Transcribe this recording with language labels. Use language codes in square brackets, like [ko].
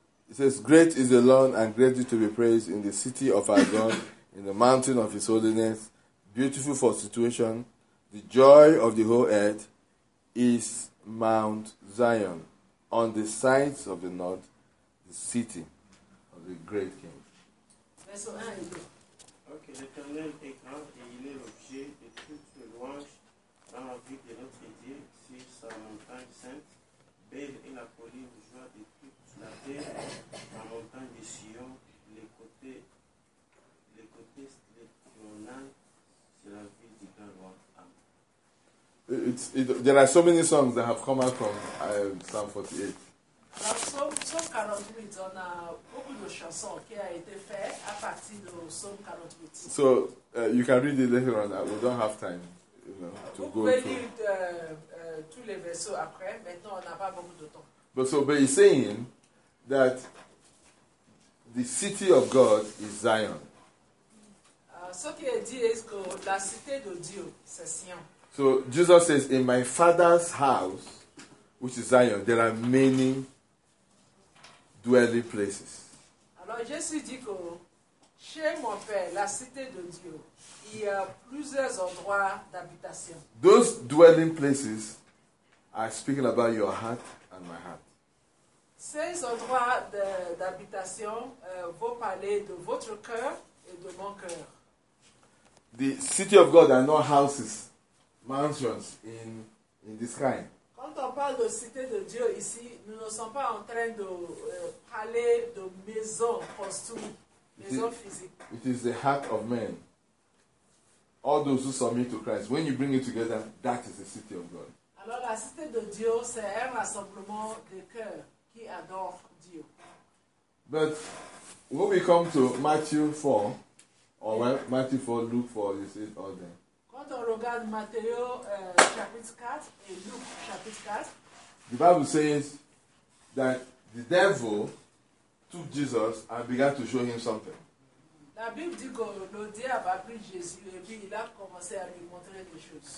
[en] It says, great is the Lord and greatly to be praised in the city of our God, in the mountain of his holiness, beautiful for situation. The joy of the whole earth is Mount Zion, on the sides of the north, the city of the great king. Verse 1 and 2. [fr] Que l'Éternel est grand et il est l'objet de toute louange dans la vie de notre Dieu sur sa montagne sainte, belle est la colline, joie de toute la terre, la montagne de Sion, les côtés les tribunaux, c'est la ville du grand roi. Amen. [en] There are so many songs that have come out from Psalm 48. [fr] Psalm 48, on a beaucoup de chansons qui a été fait à partir de Psalm 48. [en] So you can read it later on. We don't have time, you know, to [fr] vous [en] go [fr] pouvez [en] through. [fr] Lire tous les versets après. Maintenant, on n'a pas beaucoup de temps. [en] But he's saying that the city of God is Zion. [fr] Ce qui est dit est que la cité de Dieu, c'est Sion. [en] So Jesus says, in my Father's house, which is Zion, there are many dwelling places. [fr] Alors Jésus dit que chez mon Père, la cité de Dieu, il y a plusieurs endroits d'habitation. [en] Those dwelling places are speaking about your heart and my heart. [fr] Ces endroits d'habitation vont parler de votre cœur et de mon cœur. [en] The city of God are not houses, mansions in the sky. [fr] Quand on parle de cité de Dieu ici, nous ne sommes pas en train de parler de maison construite, maison physique. [en] It is the heart of man. All those who submit to Christ, when you bring it together, that is the city of God. [fr] Alors la cité de Dieu, c'est un rassemblement de cœur qui adore Dieu. [en] But when we come to Matthew 4, Luke 4, you see it all there. [fr] Quand on regarde Matthieu chapitre 4 et Luke chapitre 4, [en] the Bible says that the devil took Jesus and began to show him something. [fr] La Bible dit que le diable a pris Jésus et puis il a commencé à lui montrer des choses.